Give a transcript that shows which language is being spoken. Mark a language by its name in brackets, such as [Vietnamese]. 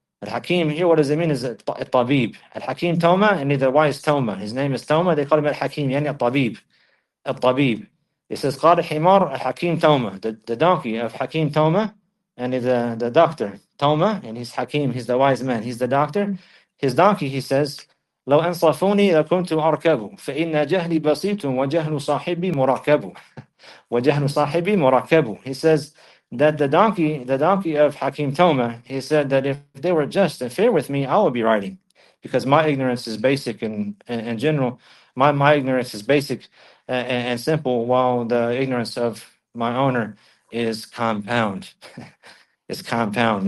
[English] Al-Hakim here, what does it mean? Is Al-Tabib. Al-Hakim Tawma, and neither, why is Tawma? His name is Tawma, they call him Al-Hakim, yani Al-Tabib. Al-Tabib. It says, Qad Himar Al-Hakim Tawma, the donkey of Hakim Tawma, and the doctor, Tawma, and he's Hakim, he's the wise man, he's the doctor. [Arabic] His donkey, he says, لو أنصفوني لكنت أركبه فإن جهلي بسيط وجهل صاحبي مركبه وجهل صاحبي مركبه. [English] He says, that the donkey of Hakim Tawma, he said that if they were just and fair with me, I would be riding, because my ignorance is basic and general. My ignorance is basic and simple, while the ignorance of my owner is compound. It's compound.